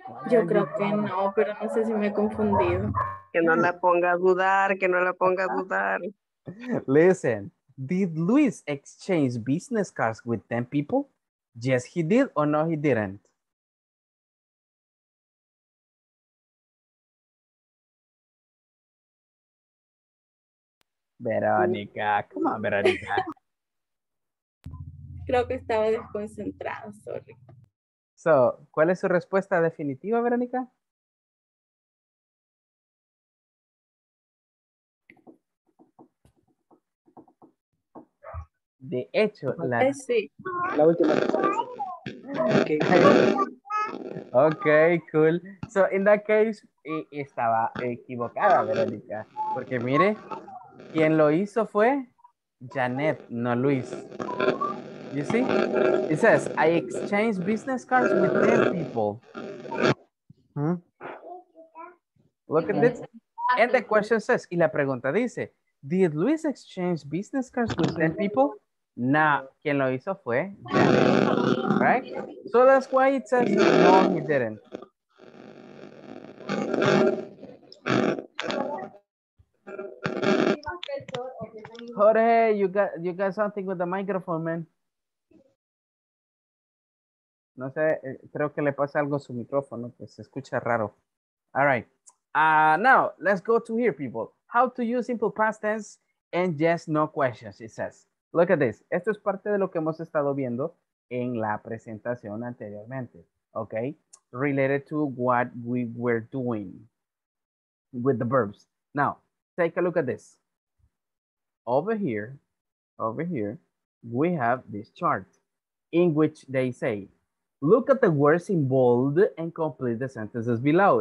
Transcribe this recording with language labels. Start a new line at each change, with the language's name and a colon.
Spanish: Yo creo que no, pero no sé si me he confundido. Que no la ponga a dudar, que no la ponga a dudar.
English: Listen, did Luis exchange business cards with 10 people? Yes, he did or no, he didn't? Veronica, come on, Veronica.
Spanish: Creo que estaba desconcentrado, sorry. So, ¿cuál es su respuesta definitiva, Verónica? De hecho, la... Sí. La última.
English: Okay, cool. So, in that case,
Spanish: estaba equivocada,
English: Verónica.
Spanish: Porque mire, quien lo hizo fue Janet, no Luis.
English: You see? It says, I exchanged business cards with 10 people. Look at this. And the question says,
Spanish: y la pregunta dice,
English: did Luis exchange business cards with 10 people? No.
Spanish: ¿Quién lo hizo fue?
English: Right? So that's why it says, no, he didn't. Jorge, you got something with the microphone, man.
Spanish: No sé, creo que le pasa algo a su micrófono, que se escucha raro.
English: All right. Now, let's go to here, people. How to use simple past tense and yes, no questions, it says. Look at this.
Spanish: Esto es parte de lo que hemos estado viendo en la presentación anteriormente.
English: Okay? Related to what we were doing with the verbs. Now, take a look at this. Over here, we have this chart in which they say, look at the words in bold and complete the sentences below.